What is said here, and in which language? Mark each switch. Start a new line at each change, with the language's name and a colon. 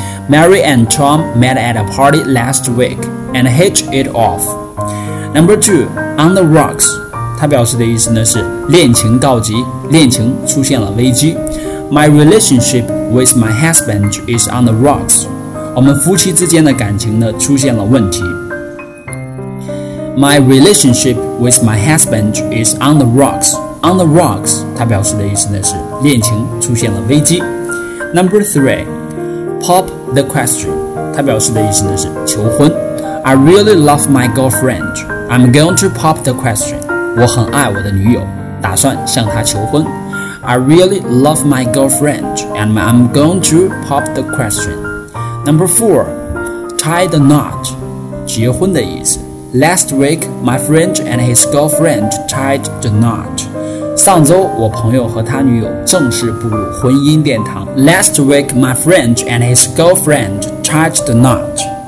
English: Mary and Tom met at a party last week and hit it off。 Number 2, on the rocks，
Chinese: 它表示的意思呢是恋情告急，恋情出现了危机。
English: My relationship with my husband is on the rocks。
Chinese: 我们夫妻之间的感情呢出现了问题。
English: My relationship with my husband is on the rocks。 On the rocks
Chinese: 它表示的意思呢是恋情出现了危机。
English: Number 3, pop the question，
Chinese: 它表示的意思呢是求婚。
English: I really love my girlfriend， I'm going to pop the question。
Chinese: 我很爱我的女友，打算向她求婚。
English: I really love my girlfriend, and I'm going to pop the question. Number 4, tie the knot,
Chinese: 结婚的意思。
English: Last week, my friend and his girlfriend tied the knot.
Chinese: 上周我朋友和他女友正式步入婚姻殿堂。
English: Last week, my friend and his girlfriend tied the knot.